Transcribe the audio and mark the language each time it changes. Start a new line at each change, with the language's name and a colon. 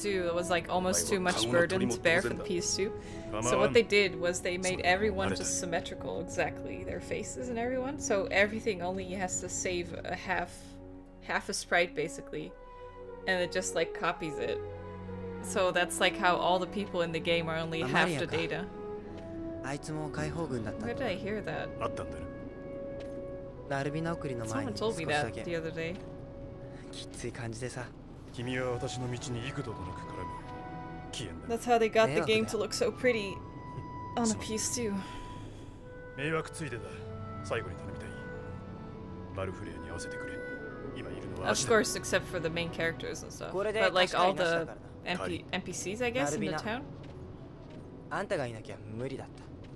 English: The PS2 was like almost too much burden to bear for the PS2. So what they did was they made everyone just symmetrical, exactly, their faces and everyone. So everything only has to save a half a sprite, basically. And it just like copies it. So that's like how all the people in the game are only half the data.
Japanese: あいつも解放軍だった。
English: Where did I hear that?
Japanese: あったんだね。ラルビナ送りの前に少しだけ。
English: Someone told me that the other day.
Japanese: きつい感じでさ。君は私の道に幾度となく絡み、危険だ。
English: That's how they got the game to look so pretty on a PS2.
Japanese: 迷惑ついてだ。最後に頼みたい。バルフレアに合わせてくれ。今いるのは。
English: Of course, except for the main characters and stuff. But like all the NPCs, I guess, in the town.
Japanese: あんたがいなきゃ無理だった。